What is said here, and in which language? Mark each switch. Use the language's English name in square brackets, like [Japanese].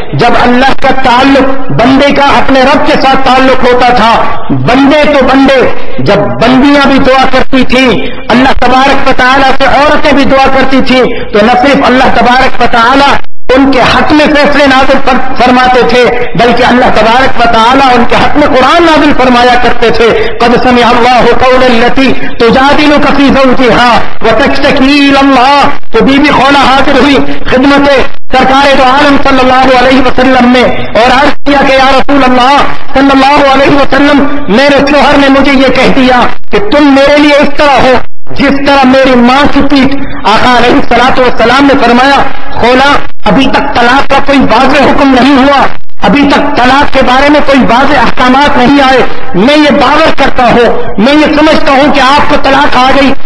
[Urdu] جب اللہ کا تعلق، بندے کا اپنے رب کے ساتھ تعلق ہوتا تھا، بندے تو بندے، جب بندیاں بھی دعا کرتی تھیں اللہ تبارک و تعالیٰ سے، عورتیں بھی دعا کرتی تھیں، تو نہ صرف اللہ تبارک و تعالیٰ ان کے حق میں فیصلے نازل فرماتے تھے بلکہ اللہ تبارک و تعالیٰ ان کے حق میں قرآن نازل فرمایا کرتے تھے. [Arabic] قد سمع اللہ قول التي تجادلك في زوجها وتشتكي الى الله [Urdu] تو بی بی خولہ حاضر ہوئی خدمت سرکار تو عالم صلی اللہ علیہ وسلم میں اور عرض کیا کہ یا رسول اللہ صلی اللہ علیہ وسلم میرے شوہر نے مجھے یہ کہہ دیا کہ تم میرے لیے اس طرح ہو جس طرح میری ماں کی پیٹ. آقا علیہ الصلوۃ والسلام نے فرمایا خولا ابھی تک طلاق کا کوئی واضح حکم نہیں ہوا, ابھی تک طلاق کے بارے میں کوئی واضح احکامات نہیں آئے, میں یہ باور کرتا ہوں, میں یہ سمجھتا ہوں کہ آپ کو طلاق آ گئی.